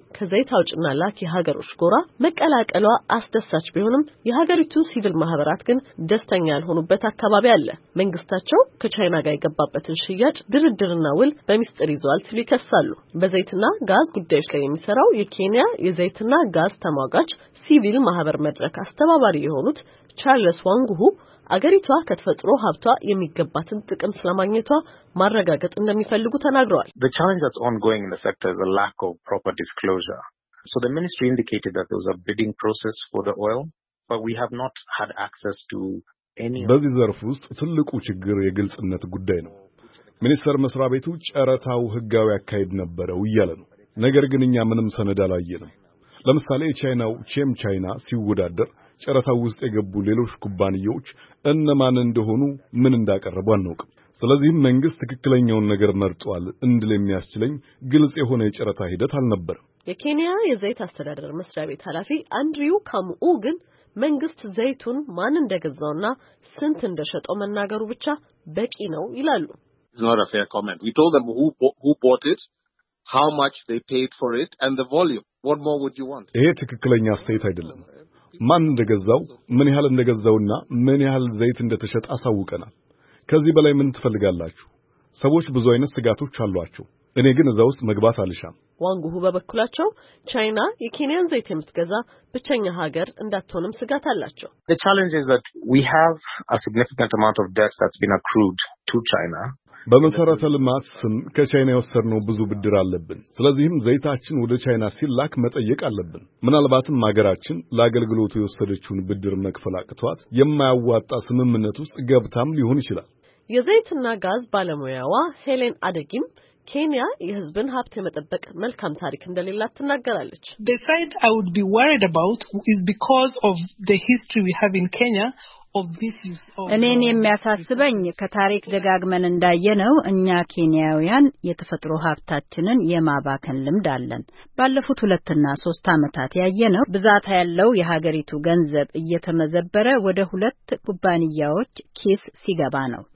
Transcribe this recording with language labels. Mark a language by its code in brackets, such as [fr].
[am] ከዘይት አውጭና ላኪ ሀገሮች ጎራ መቀላቀሏ አስደሳች ቢሆንም የሀገሪቱ ሲቪል ማህበራት ግን ደስተኛ ያልሆኑበት አካባቢ አለ። መንግስታቸው ከቻይና ጋር የገባበትን ሽያጭ ድርድርና ውል በሚስጥር ይዟል ሲሉ ይከሳሉ። በዘይትና ጋዝ ጉዳዮች ላይ የሚሰራው የኬንያ የዘይትና ጋዝ ተሟጋች ሲቪል ማህበር መድረክ አስተባባሪ የሆኑት ቻርልስ ዋንጉሁ አገሪቷ ከተፈጥሮ ሀብቷ የሚገባትን ጥቅም ስለማግኘቷ ማረጋገጥ እንደሚፈልጉ ተናግረዋል። [en] The challenge that's ongoing in the sector is a lack of proper disclosure. So the ministry indicated that there was a bidding process for the oil, but we have not had access to any. [am] በዚህ ዘርፍ ውስጥ ትልቁ ችግር የግልጽነት ጉዳይ ነው። ሚኒስተር መስሪያ ቤቱ ጨረታው ህጋዊ አካሄድ ነበረው እያለ ነው። ነገር ግን እኛ ምንም ሰነድ አላየንም። ለምሳሌ የቻይናው ቼም ቻይና ሲወዳደር ጨረታው ውስጥ የገቡ ሌሎች ኩባንያዎች እነማን እንደሆኑ ምን እንዳቀረቡ አናውቅም። ስለዚህም መንግስት ትክክለኛውን ነገር መርጧል እንድል የሚያስችለኝ ግልጽ የሆነ የጨረታ ሂደት አልነበረም። የኬንያ የዘይት አስተዳደር መስሪያ ቤት ኃላፊ አንድሪው ካሙኡ ግን መንግስት ዘይቱን ማን እንደገዛውና ስንት እንደሸጠው መናገሩ ብቻ በቂ ነው ይላሉ። [en] It's not a fair comment. We told them who bought it, how much they paid for it and the volume. What more would you want? [am] ይሄ ትክክለኛ አስተያየት አይደለም። ማን እንደገዛው ምን ያህል እንደገዛውና ምን ያህል ዘይት እንደተሸጠ አሳውቀናል። ከዚህ በላይ ምን ትፈልጋላችሁ? ሰዎች ብዙ አይነት ስጋቶች አሏቸው። እኔ ግን እዛ ውስጥ መግባት አልሻም። ዋንጉሁ በበኩላቸው ቻይና የኬንያን ዘይት የምትገዛ ብቸኛ ሀገር እንዳትሆንም ስጋት አላቸው። [en] The challenge is that we have a significant amount of debt that's been accrued to China. [am] በመሰረተ ልማት ስም ከቻይና የወሰድነው ብዙ ብድር አለብን። ስለዚህም ዘይታችን ወደ ቻይና ሲላክ መጠየቅ አለብን። ምናልባትም ሀገራችን ለአገልግሎቱ የወሰደችውን ብድር መክፈል አቅቷት የማያዋጣ ስምምነት ውስጥ ገብታም ሊሆን ይችላል። የዘይትና ጋዝ ባለሙያዋ ሄሌን አደጊም ኬንያ የህዝብን ሀብት የመጠበቅ መልካም ታሪክ እንደሌላት ትናገራለች። [en] The site I would be worried about is because of the history we have in Kenya. [am] እኔን የሚያሳስበኝ ከታሪክ ደጋግመን እንዳየነው እኛ ኬንያውያን የተፈጥሮ ሀብታችንን የማባከን ልምድ አለን። ባለፉት 2-3 አመታት ያየነው ብዛት ያለው የሀገሪቱ ገንዘብ እየተመዘበረ ወደ 2 ኩባንያዎች ኪስ ሲገባ ነው።